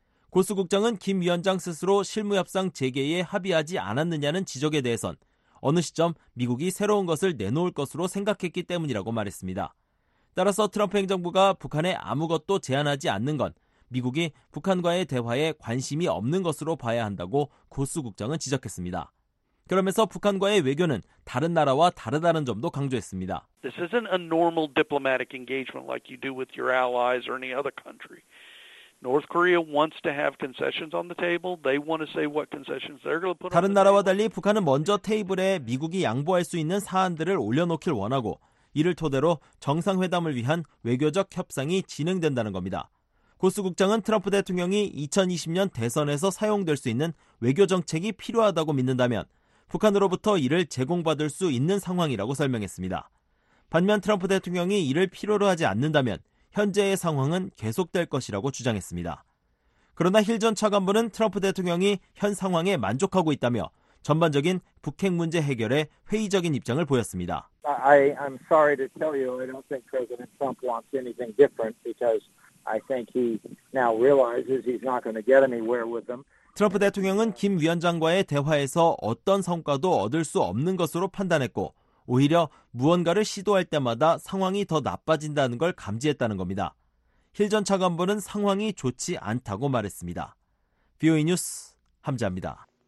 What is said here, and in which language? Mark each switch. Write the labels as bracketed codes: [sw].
[ko] 고스 국장은 김 위원장 스스로 실무협상 재개에 합의하지 않았느냐는 지적에 대해선 어느 시점 미국이 새로운 것을 내놓을 것으로 생각했기 때문이라고 말했습니다. 따라서 트럼프 행정부가 북한에 아무것도 제안하지 않는 건 미국이 북한과의 대화에 관심이 없는 것으로 봐야 한다고 고스 국장은 지적했습니다. 그러면서 북한과의 외교는 다른 나라와 다르다는 점도 강조했습니다. [en] This isn't a normal diplomatic engagement like you do with your allies or any other country. North Korea wants to have concessions on the table. They want to say what concessions they're going to put on the table. [ko] 다른 나라와 달리 북한은 먼저 테이블에 미국이 양보할 수 있는 사안들을 올려놓길 원하고 이를 토대로 정상회담을 위한 외교적 협상이 진행된다는 겁니다. 고스 국장은 트럼프 대통령이 2020년 대선에서 사용될 수 있는 외교 정책이 필요하다고 믿는다면 북한으로부터 이를 제공받을 수 있는 상황이라고 설명했습니다. 반면 트럼프 대통령이 이를 필요로 하지 않는다면 현재의 상황은 계속될 것이라고 주장했습니다. 그러나 힐 전 차관보는 트럼프 대통령이 현 상황에 만족하고 있다며 전반적인 북핵 문제 해결에 회의적인 입장을 보였습니다. [en] I'm sorry to tell you, I don't think President Trump wants anything different because I think he now realizes he's not going to get anywhere with them. [ko] 트럼프 대통령은 김 위원장과의 대화에서 어떤 성과도 얻을 수 없는 것으로 판단했고 오히려 무언가를 시도할 때마다 상황이 더 나빠진다는 걸 감지했다는 겁니다. 힐 전 차관보는 상황이 좋지 않다고 말했습니다. BOE 뉴스 함재합니다.